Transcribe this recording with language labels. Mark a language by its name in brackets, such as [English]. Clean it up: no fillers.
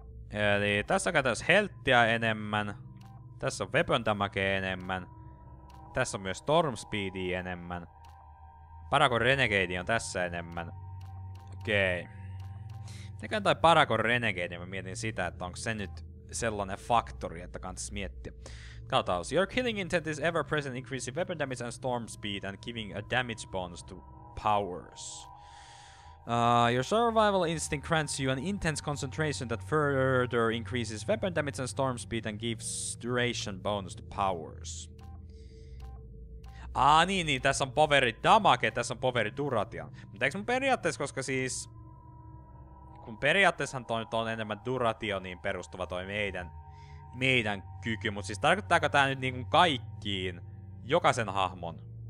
[Finnish] Eli tässä käytäis healthia enemmän, tässä on weapon damagea enemmän, tässä on myös storm speedia enemmän, Paragon Renegade on tässä enemmän. Okei. Okay. Mitenkään toi Paragon Renegade, mä mietin sitä, että onko se nyt sellainen faktori, että kannattaisi miettiä. Kataus. [English] Your killing intent is ever present, increasing weapon damage and storm speed and giving a damage bonus to powers. Your survival instinct grants you an intense concentration that further increases weapon damage and storm speed and gives duration bonus to powers. [Finnish] Niin, tässä on poveri damage, tässä on poveri duration. Mutta eikö mun periaatteessa, koska siis... Kun periaatteessahan toi nyt on enemmän durationiin perustuva toi meidän kyky, mutta siis tarkoittaako tää nyt niinku kaikkiin, jokaisen hahmon?